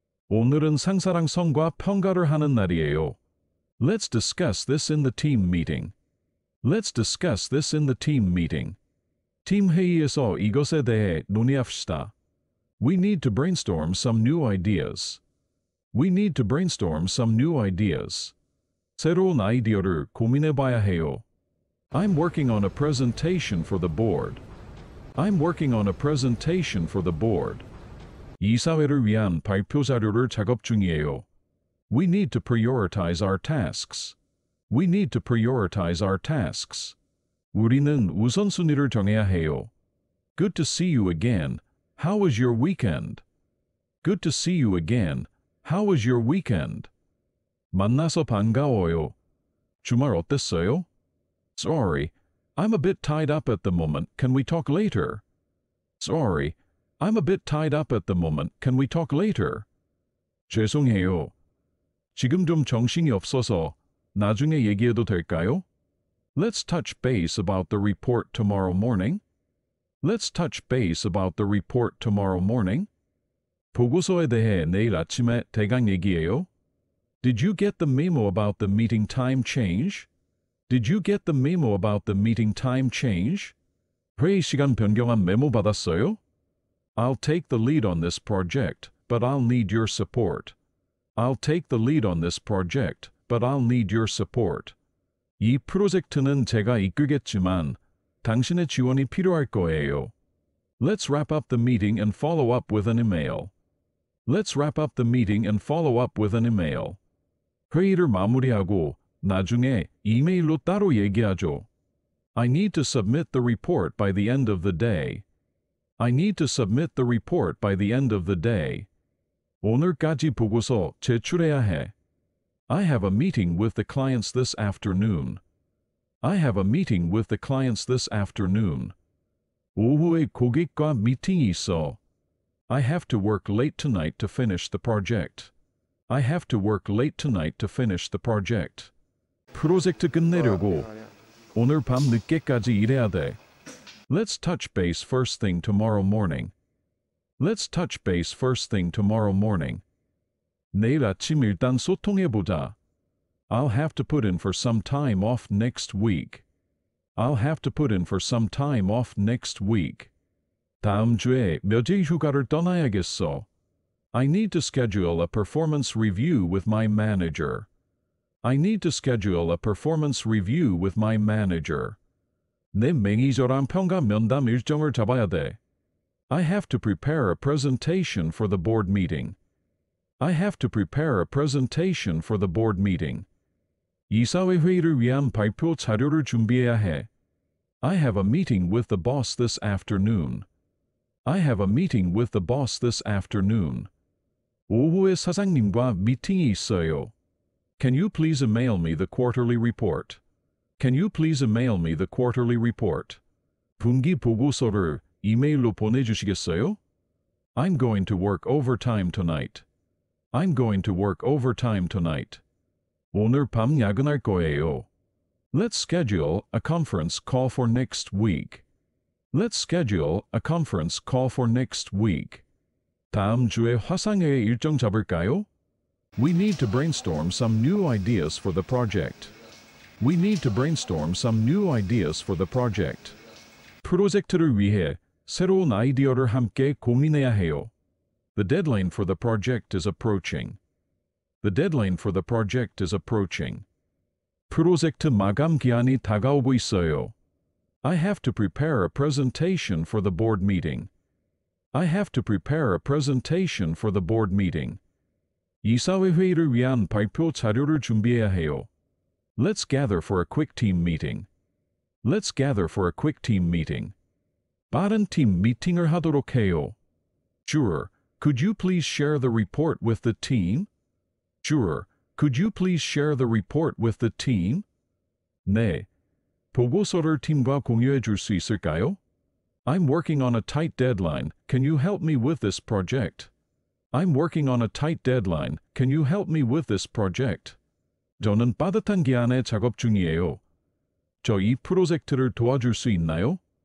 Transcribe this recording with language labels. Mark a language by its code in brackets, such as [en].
[ko] 오늘은 상사랑 성과 평가를 하는 날이에요. [en] Let's discuss this in the team meeting. Let's discuss this in the team meeting. [ko] 팀 회의에서 이것에 대해 논의합시다. [en] We need to brainstorm some new ideas. We need to brainstorm some new ideas. [ko] 새로운 아이디어를 고민해봐야 해요. [en] I'm working on a presentation for the board. I'm working on a presentation for the board. [ko] 이사회를 위한 발표 자료를 작업 중이에요. [en] We need to prioritize our tasks. We need to prioritize our tasks. [ko] 우리는 우선순위를 정해야 해요. [en] Good to see you again. How was your weekend? Good to see you again. How was your weekend? [ko] 만나서 반가워요. 주말 어땠어요? [en] Sorry, I'm a bit tied up at the moment. Can we talk later? Sorry, I'm a bit tied up at the moment. Can we talk later? [ko] 죄송해요. 지금 좀 정신이 없어서 나중에 얘기해도 될까요? [en] Let's touch base about the report tomorrow morning. Let's touch base about the report tomorrow morning. [ko] 보고서에 대해 내일 아침에 대강 얘기해요. [en] Did you get the memo about the meeting time change? Did you get the memo about the meeting time change? [ko] 회의 시간 변경한 메모 받았어요? [en] I'll take the lead on this project, but I'll need your support. I'll take the lead on this project, but I'll need your support. [ko] 이 프로젝트는 제가 이끌겠지만 당신의 지원이 필요할 거예요. [en] Let's wrap up the meeting and follow up with an email. Let's wrap up the meeting and follow up with an email. [ko] 회의를 마무리하고 나중에 이메일로 따로 얘기하죠. [en] I need to submit the report by the end of the day. I need to submit the report by the end of the day. [ko] 오늘까지 보고서 제출해야 해. [en] I have a meeting with the clients this afternoon. I have a meeting with the clients this afternoon. [ko] 오후에 고객과 미팅이 있어. [en] I have to work late tonight to finish the project. I have to work late tonight to finish the project. [ko] 프로젝트 끝내려고 오늘 밤 늦게까지 일해야 돼. [en] Let's touch base first thing tomorrow morning. Let's touch base first thing tomorrow morning. [ko] 내일 아침 일단 소통해보자. [en] I'll have to put in for some time off next week. I'll have to put in for some time off next week. [ko] 다음 주에 며칠 휴가를 떠나야겠어. [en] I need to schedule a performance review with my manager. I need to schedule a performance review with my manager. [ko] 내 매니저랑 평가 면담 일정을 잡아야 돼. [en] I have to prepare a presentation for the board meeting. I have to prepare a presentation for the board meeting. [ko] 이사회 회의를 위한 발표 자료를 준비해야 해. [en] I have a meeting with the boss this afternoon. I have a meeting with the boss this afternoon. [ko] 오후에 사장님과 미팅이 있어요. [en] Can you please email me the quarterly report? Can you please email me the quarterly report? [ko] 분기 보고서를 이메일로 보내주시겠어요? [en] I'm going to work overtime tonight. I'm going to work overtime tonight. [ko] 오늘 밤 야근할 거예요. [en] Let's schedule a conference call for next week. Let's schedule a conference call for next week. [ko] 다음 주에 화상회의 일정 잡을까요? [en] We need to brainstorm some new ideas for the project. We need to brainstorm some new ideas for the project. [ko] 프로젝트를 위해 새로운 아이디어를 함께 고민해야 해요. [en] The deadline for the project is approaching. The deadline for the project is approaching. [ko] 프로젝트 마감 기한이 다가오고 있어요. [en] I have to prepare a presentation for the board meeting. I have to prepare a presentation for the board meeting. [ko] 이사회 회의를 위한 발표 자료를 준비해야 해요. [en] Let's gather for a quick team meeting. Let's gather for a quick team meeting. [ko] 빠른 팀 미팅을 하도록 해요. [en] Sure, could you please share the report with the team? Sure, could you please share the report with the team? [ko] 네, 보고서를 팀과 공유해 줄 수 있을까요? [en] I'm working on a tight deadline. Can you help me with this project? I'm working on a tight deadline. Can you help me with this project? [ko] 저는 빠듯한 기한에 작업 중이에요. 저 이 프로젝트를 도와줄 수 있나요?